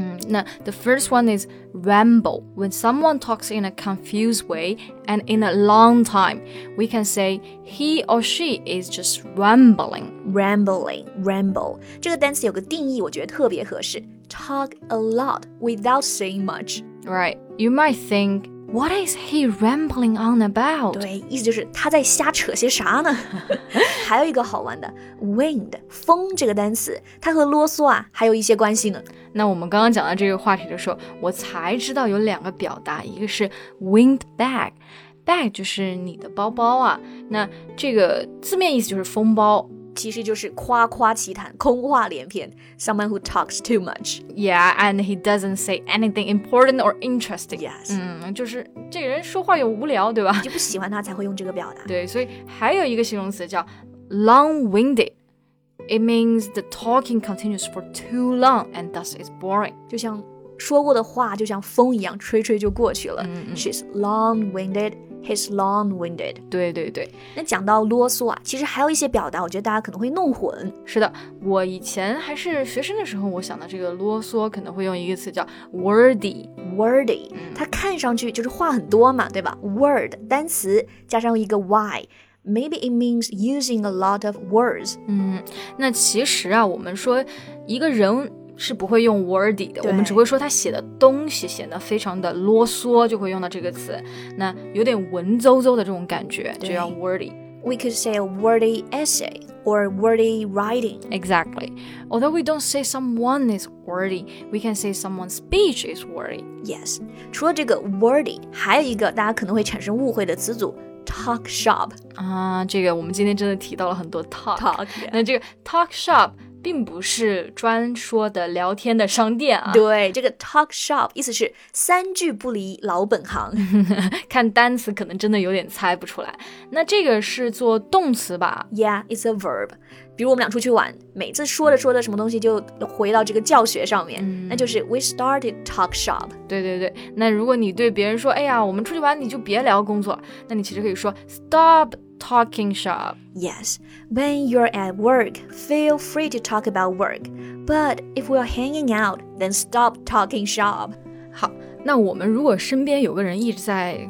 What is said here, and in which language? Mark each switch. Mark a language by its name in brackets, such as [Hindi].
[English] 那 the first one is ramble. When someone talks in a confused way and in a long time, we can say he or she is just rambling. Rambling, ramble. [Chinese] 这个单词有个定义，我觉得特别合适。 [English] Talk a lot without saying much. Right. You might think, what is he rambling on about? [Chinese] 对，意思就是他在瞎扯些啥呢？还有一个好玩的 ，wind 风这个单词，它和啰嗦啊还有一些关系呢。那我们刚刚讲到这个话题的时候，我才知道有两个表达，一个是 wind bag， bag 就是你的包包啊。那这个字面意思就是风包。其实就是夸夸其谈，空话连篇 [English] Someone who talks too much Yeah, and he doesn't say anything important or interesting Yes [Chinese] 就是这个人说话又无聊，对吧？你就不喜欢他才会用这个表达对，所以还有一个形容词叫 long-winded [English] It means the talking continues for too long and thus is boring. [Chinese] 就像说过的话就像风一样吹吹就过去了。 Mm-hmm. [English] She's long-winded, he's long-winded. [Chinese] 对对对。那讲到啰嗦啊，其实还有一些表达我觉得大家可能会弄混。是的，我以前还是学生的时候，我想到这个啰嗦可能会用一个词叫 wordy。 Wordy,、嗯、它看上去就是话很多嘛，对吧 ?Word, 单词加上一个 y。 [English] Maybe it means using a lot of words. [Chinese] 嗯，那其实啊，我们说一个人是不会用 wordy 的，我们只会说他写的东西显得非常的啰嗦，就会用到这个词。那有点文绉绉的这种感觉，就叫 wordy. [English] We could say a wordy essay or wordy writing. Exactly. Although we don't say someone is wordy, we can say someone's speech is wordy. Yes. [Chinese] 除了这个 wordy, 还有一个大家可能会产生误会的词组。 [English] Talk shop [Chinese] 啊，这个我们今天真的提到了很多 talk, [English] talk、yeah. [Chinese] 那这个 talk shop 并不是专说的聊天的商店啊。对，这个 talk shop 意思是三句不离老本行。看单词可能真的有点猜不出来。那这个是做动词吧？ [English] Yeah, it's a verb. [Chinese] 比如我们俩出去玩，每次说着说着什么东西就回到这个教学上面、嗯、 [English] 那就是 we started talk shop. [Chinese] 对对对，那如果你对别人说，哎呀，我们出去玩你就别聊工作，那你其实可以说 stop talking shop. [English] Yes, when you're at work, feel free to talk about work. But if we're hanging out, then stop talking shop. [Chinese] 好，那我们如果身边有个人一直在